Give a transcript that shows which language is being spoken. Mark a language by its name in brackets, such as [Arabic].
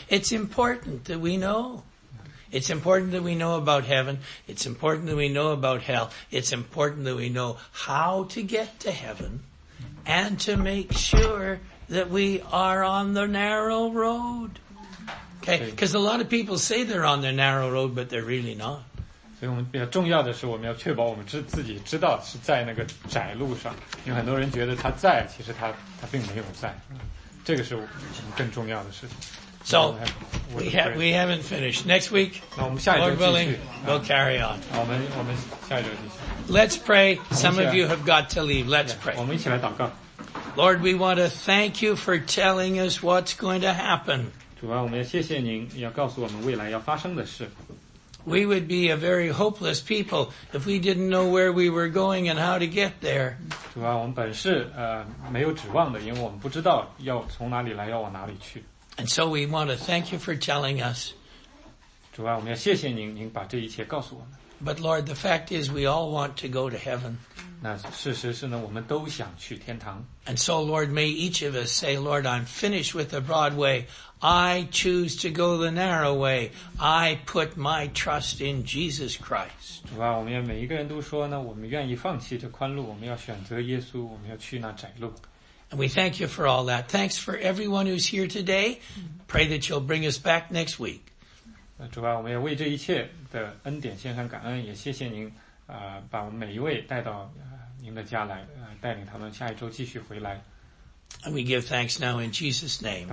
[English] It's important that we know. It's important that we know about heaven. It's important that we know about hell. It's important that we know how to get to heaven and to make sure that we are on the narrow road. Okay? Because a lot of people say they're on the narrow road, but they're really not. [Chinese] 所以我们比较重要的是我们要确保我们自己知道是在那个窄路上。因为很多人觉得他在，其实他并没有在。这个是更重要的事情。 [English] So, we haven't finished. Next week, Lord willing, we'll carry on. [Chinese] 我们下一周继续。 [English] Let's pray. Some of you have got to leave. Let's pray. [Chinese] 我们一起来祷告。 [English] Lord, we want to thank you for telling us what's going to happen. [Chinese] 主啊，我们要谢谢您要告诉我们未来要发生的事。 [English] We would be a very hopeless people if we didn't know where we were going and how to get there. [Chinese] 主啊，我们本是没有指望的，因为我们不知道要从哪里来，要往哪里去。 [English] And so we want to thank you for telling us. [Chinese] 主啊，我们要谢谢您，您把这一切告诉我们。 [English] But Lord, the fact is, we all want to go to heaven. [Chinese] 那事实是呢，我们都想去天堂。 [English] And so, Lord, may each of us say, Lord, I'm finished with the broad way. I choose to go the narrow way. I put my trust in Jesus Christ. [Chinese] 主啊，我们要每一个人都说呢，我们愿意放弃这宽路，我们要选择耶稣，我们要去那窄路。 [English] And we thank you for all that. Thanks for everyone who's here today. Pray that you'll bring us back next week. [Chinese] 主啊，我们要为这一切的恩典献上感恩，也谢谢您，把我们每一位带到您的家来，带领他们下一周继续回来。 [English] And we give thanks now in Jesus' name.